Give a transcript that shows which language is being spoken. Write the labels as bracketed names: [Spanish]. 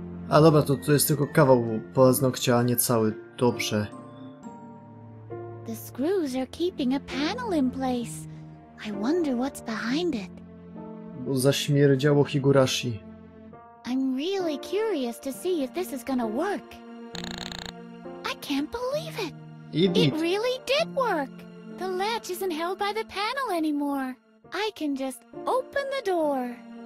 [Polish] A dobra, to jest tylko kawał paznokcia, a nie cały. Dobrze. [English] The screws are keeping a panel in place. I wonder what's behind it. [Polish] Bo zaśmierdziało Higurashi. [English] I'm really curious to see if this is gonna work. I can't believe it. It really did work. The latch isn't held by the panel anymore. I can just open the door.